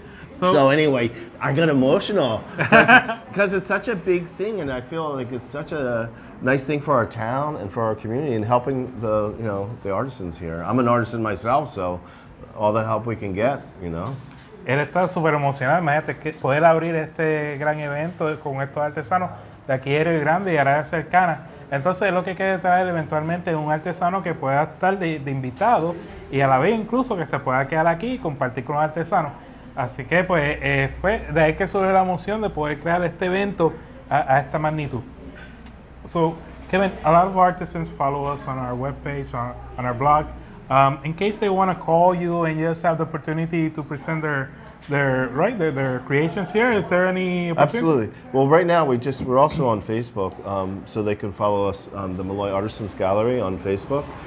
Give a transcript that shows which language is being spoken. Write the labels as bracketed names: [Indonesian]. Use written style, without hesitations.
[English] So anyway, I got emotional because it's such a big thing, and I feel like it's such a nice thing for our town and for our community, and helping the, you know, the artisans here. I'm an artisan myself, so all the help we can get, you know. [Spanish] Él está super emocionado. Imagínate poder abrir este gran evento con estos artesanos de aquí de Río Grande y área cercana. Entonces, lo que quiere traer eventualmente es un artesano que pueda estar de invitado y a la vez incluso que se pueda quedar aquí y compartir con los artesanos. Así que, pues, fue de ahí que surge la emoción de poder crear este evento a esta magnitud. [English] So, Kevin, a lot of artisans follow us on our webpage, on our blog. In case they want to call you and you just have the opportunity to present their creations here, is there any opportunity? Absolutely. Well, right now we're also on Facebook, so they can follow us, the Malloy Artisans Gallery on Facebook.